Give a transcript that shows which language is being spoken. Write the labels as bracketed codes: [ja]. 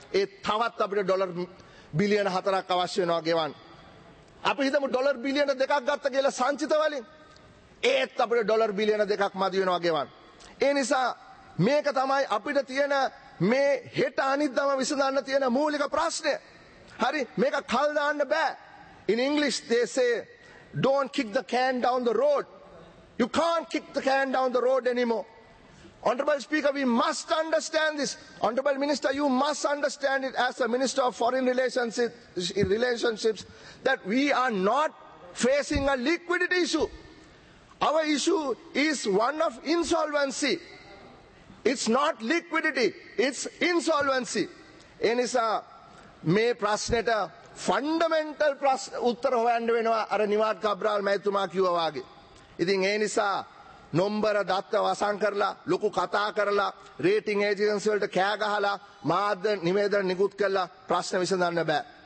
[si] ඒ තවත් අපිට ඩොලර් බිලියන 4ක් අවශ්‍ය වෙනවා ගෙවන්න. අපි හිතමු ඩොලර් බිලියන 2ක් ගත්ත කියලා සංචිත වලින්. ඒත් අපිට ඩොලර් බිලියන 2ක් මදි වෙනවා ගෙවන්න. ඒ නිසා මේක තමයි අපිට තියෙන මේ හෙට අනිද්දාම විසඳන්න තියෙන මූලික ප්‍රශ්නය. හරි මේක කල් දාන්න බෑ. [en] In English they say don't kick the can down the road. You can't kick the can down the road anymore. Honorable Speaker, we must understand this. Honorable Minister, you must understand it as a Minister of Foreign Relationships that we are not facing a liquidity issue. Our issue is one of insolvency. It's not liquidity, it's insolvency. [si] Enisa මේ ප්‍රශ්නෙට fundamental ප්‍රශ්න උත්තර හොයන්න වෙනවා අර නිවාඩ් කබ්‍රාල් මහත්තුමා කිව්වා වාගේ. ඉතින් ඒ නිසා නොම්බර දත්ත වසන් කරලා ලොකු කතා කරලා රේටින් ඒජන්සි වලට කෑ ගහලා මාධ්‍ය නිවේදන නිකුත් කරලා ප්‍රශ්න විසඳන්න බෑ.